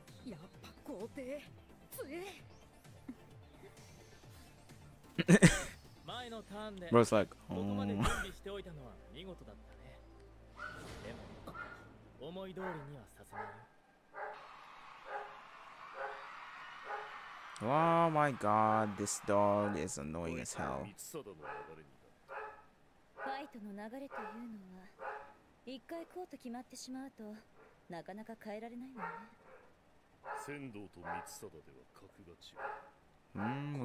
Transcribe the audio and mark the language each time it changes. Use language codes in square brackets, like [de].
[ja] やっぱ皇帝強い前のターンで [en] Bro's like, oh. [ja] ここまで準備しておいたのは見事だったねでも思い通りにはさせない [en] Oh my god, this dog is annoying as hell [ja] ファイトの流れというのは、一回コート決まってしまうと、なかなか変えられないのね。仙道と三つ定では格が違う。